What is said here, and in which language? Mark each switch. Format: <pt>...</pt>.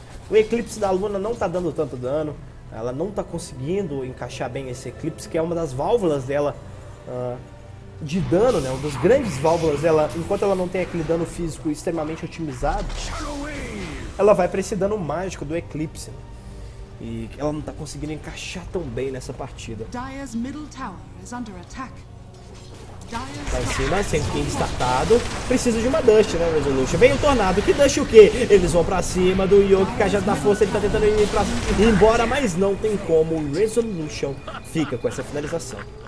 <pt>O Eclipse da Luna não tá dando tanto dano, ela não tá conseguindo encaixar bem esse Eclipse, que é uma das válvulas dela de dano, né? Uma das grandes válvulas dela, enquanto ela não tem aquele dano físico extremamente otimizado, ela vai para esse dano mágico do Eclipse. E ela não tá conseguindo encaixar tão bem nessa partida.</pt> <en>Dire's middle tower is under attack.</en> <pt>Lá em cima, Sand King startado. Precisa de uma Dust, né, Resolution? Vem um Tornado, que Dust o quê? Eles vão pra cima do Yoke, Cajado da Força. Ele tá tentando ir pra... embora, mas não tem como. Resolution fica com essa finalização.</pt>